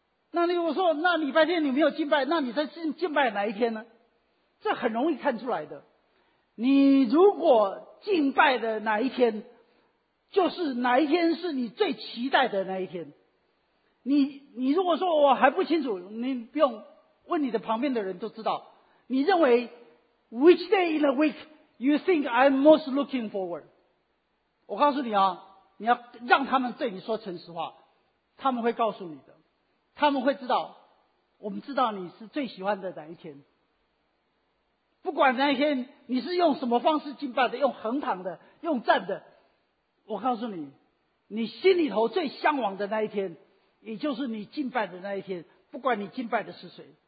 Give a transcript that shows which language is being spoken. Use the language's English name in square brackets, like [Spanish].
[Chinese] 那你我说那礼拜天你没有敬拜，那你在敬拜哪一天呢？这很容易看出来的，你如果敬拜的哪一天，就是哪一天是你最期待的那一天。你如果说我还不清楚，你不用问，你的旁边的人都知道。你认为 [English] which day in the week you think I'm most looking forward？ [Chinese] 我告诉你啊，你要让他们对你说诚实话，他们会告诉你的，他们会知道，我们知道你是最喜欢的哪一天。不管那一天你是用什么方式敬拜的，用横躺的，用站的，我告诉你，你心里头最向往的那一天，也就是你敬拜的那一天，不管你敬拜的是谁。